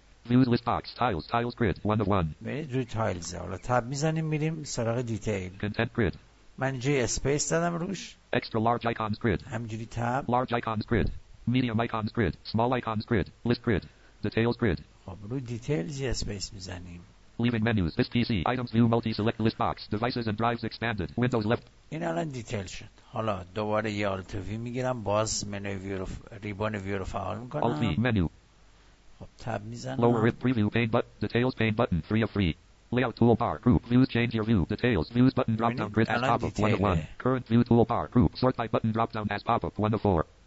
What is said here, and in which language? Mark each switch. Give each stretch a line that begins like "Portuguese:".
English: Views list box tiles tiles grid 1 of 1.
Persian: منید روی تایلز. حالا تب میزنیم میریم سراغ detail.
English: Content grid.
Persian: من اینجا اسپیس دادم روش.
English: Extra large icons grid.
Persian: همجوری تب.
English: Large icons grid. Medium icons grid. Small icons grid. List grid. Details grid.
Persian: خب روی details یه اسپیس میزنیم.
English: Leaving menus, this PC, items view, multi-select list box, devices and drives expanded, windows left.
Persian: این الان details شد. حالا دوباره یه Alt V میگیرم، باز منوی ویو رو، ریبون ویو رو فعال میکنم.
English: Alt V, menu.
Persian: خب tab میزنم.
English: Lower rib preview pane button, details pane button, 3 of 3. Layout toolbar, group, views, change your view, details, views button drop down grid as pop-up, 1 of 1. Current view toolbar, group, sort by button drop down as pop-up, 1 of 4.